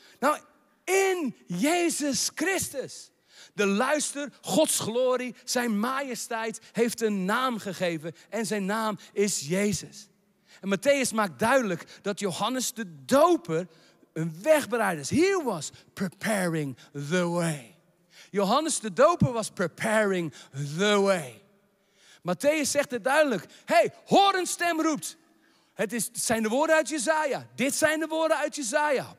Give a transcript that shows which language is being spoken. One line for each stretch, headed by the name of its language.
Dutch: Nou, in Jezus Christus. De luister, Gods glorie, zijn majesteit heeft een naam gegeven. En zijn naam is Jezus. En Matthäus maakt duidelijk dat Johannes de Doper een wegbereider is.
English: He was preparing the way. Johannes de Doper was preparing the way.
Dutch: Matthäus zegt het duidelijk. Hey, hoor een stem roept. Het zijn de woorden uit Jesaja. Dit zijn de woorden uit Jesaja.